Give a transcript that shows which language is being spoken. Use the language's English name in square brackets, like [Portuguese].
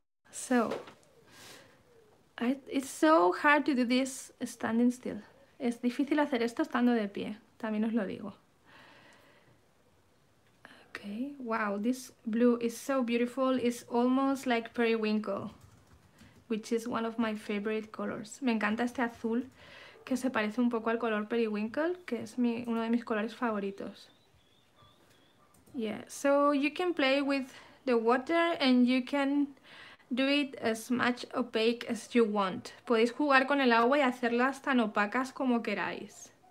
[English] So, it's so hard to do this standing still. [Spanish] Es difícil hacer esto estando de pie, también os lo digo. [English] Okay. Wow, this blue is so beautiful. It's almost like periwinkle. Which is one of my favorite colors. [Spanish] Me encanta este azul que se parece un poco al color periwinkle, que es uno de mis colores favoritos. [English] Yeah, so you can play with the water and you can do it as much opaque as you want. [Spanish] Podéis jugar con el agua y hacerlas tan opacas como queráis.